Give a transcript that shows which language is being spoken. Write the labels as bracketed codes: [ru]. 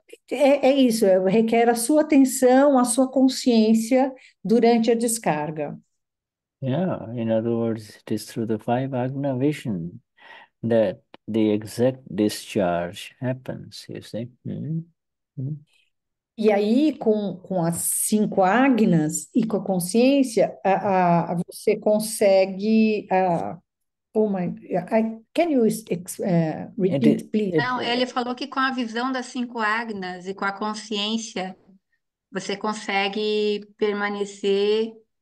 [pt] É isso, requer a sua atenção, a sua consciência durante a descarga. [en] Yeah, in other words, it is through the five Agna vision that the exact discharge happens, you see? [pt] E aí, com as cinco Agnas e com a consciência, você consegue. [en] Oh my, can you repeat, please? [pt] Não, ele falou que com a visão das cinco Agnas e com a consciência, você consegue permanecer.